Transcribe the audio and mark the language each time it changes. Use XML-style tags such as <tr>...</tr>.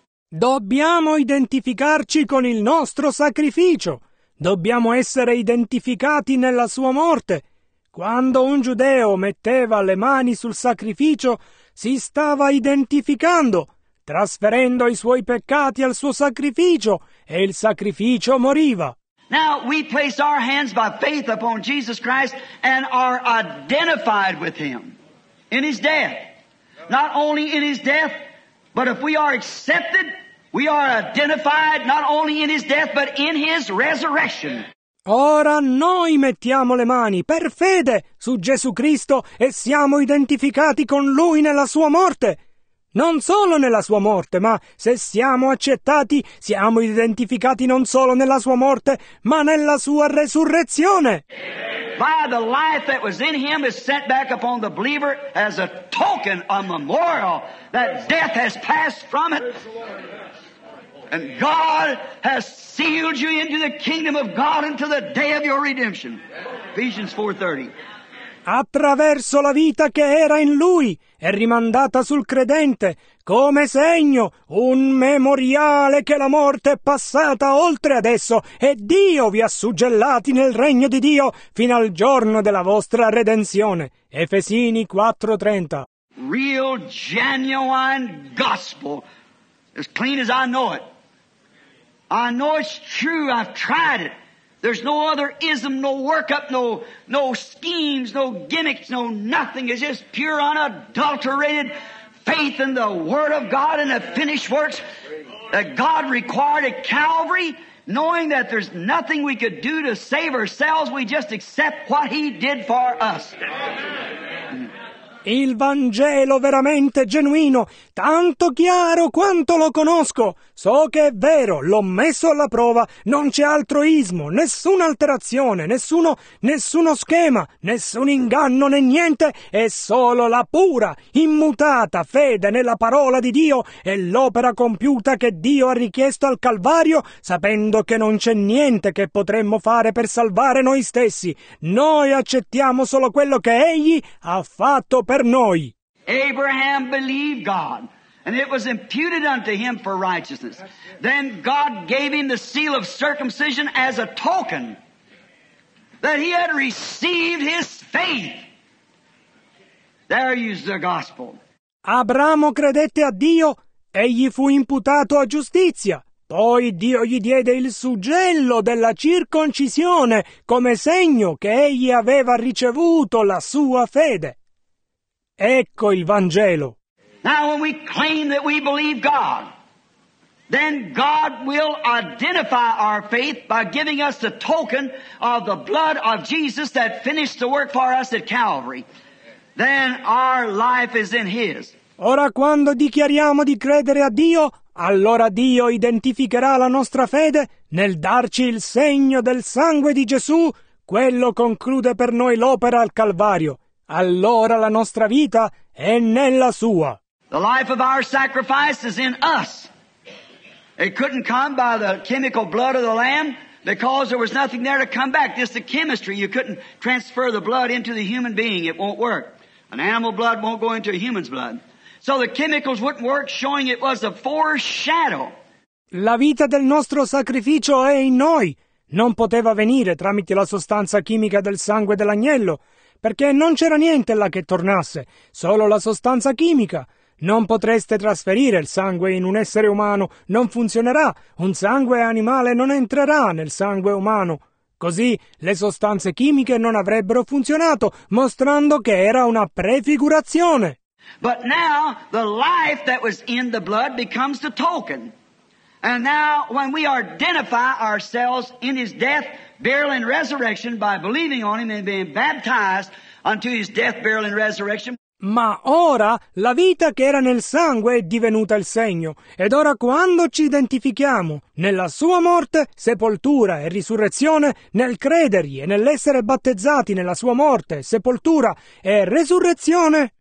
<it>Dobbiamo identificarci con il nostro sacrificio. Dobbiamo essere identificati nella sua morte. Quando un giudeo metteva le mani sul sacrificio, si stava identificando, trasferendo i suoi peccati al suo sacrificio, e il sacrificio moriva.</it> <en>Now we place our hands by faith upon Jesus Christ and are identified with him in his death. Not only in his death, but if we are accepted, we are identified not only in his death, but in his resurrection.</en> <it>Ora noi mettiamo le mani per fede su Gesù Cristo e siamo identificati con lui nella sua morte. non solo nella sua morte, ma se siamo accettati, siamo identificati non solo nella sua morte, ma nella sua resurrezione.</it> <en>By the life that was in him is set back upon the believer as a token, a memorial that death has passed from it. And God has sealed you into the kingdom of God until the day of your redemption. Ephesians 4:30.</en> <it>Attraverso la vita che era in lui è rimandata sul credente come segno, un memoriale che la morte è passata oltre adesso e Dio vi ha suggellati nel regno di Dio fino al giorno della vostra redenzione. Efesini 4:30.</it> <en>Real genuine gospel, as clean as I know it. I know it's true, I've tried it. There's no other ism, no workup, no schemes, no gimmicks, no nothing. It's just pure, unadulterated faith in the Word of God and the finished works that God required at Calvary, knowing that there's nothing we could do to save ourselves. We just accept what He did for us.</en> <it>Il Vangelo veramente genuino, tanto chiaro quanto lo conosco. So che è vero, l'ho messo alla prova, non c'è altroismo, nessuna alterazione, nessuno schema, nessun inganno né niente, è solo la pura, immutata fede nella parola di Dio e l'opera compiuta che Dio ha richiesto al Calvario, sapendo che non c'è niente che potremmo fare per salvare noi stessi. Noi accettiamo solo quello che Egli ha fatto per noi.</it> <en>Abraham believed God, and it was imputed unto him for righteousness. Then God gave him the seal of circumcision as a token that he had received his faith. There is the gospel.</en> <it>Abramo credette a Dio, egli fu imputato a giustizia. Poi Dio gli diede il suggello della circoncisione come segno che egli aveva ricevuto la sua fede. Ecco il Vangelo.</it> <en>Now when we claim that we believe God, then God will identify our faith by giving us the token of the blood of Jesus that finished the work for us at Calvary. Then our life is in His.</en> <it>Ora quando dichiariamo di credere a Dio, allora Dio identificherà la nostra fede nel darci il segno del sangue di Gesù, quello conclude per noi l'opera al Calvario. Allora la nostra vita è nella sua.</it> <en>The life of our sacrifice is in us. It couldn't come by the chemical blood of the lamb because there was nothing there to come back. Just the chemistry. You couldn't transfer the blood into the human being. It won't work. An animal blood won't go into a human's blood. So the chemicals wouldn't work, showing it was a foreshadow.</en> <it>La vita del nostro sacrificio è in noi. Non poteva venire tramite la sostanza chimica del sangue dell'agnello. Perché non c'era niente là che tornasse, solo la sostanza chimica. Non potreste trasferire il sangue in un essere umano, non funzionerà. Un sangue animale non entrerà nel sangue umano. Così le sostanze chimiche non avrebbero funzionato, mostrando che era una prefigurazione.</it> <en>But now the life that was in the blood becomes the token. And now when we identify ourselves in his death, burial and resurrection by believing on him and being baptized unto his death, burial and resurrection.</en> <it>Ma ora la vita che era nel sangue è divenuta il segno. Ed ora quando ci identifichiamo nella sua morte, sepoltura e risurrezione, nel credergli e nell'essere battezzati nella sua morte, sepoltura e resurrezione.</it>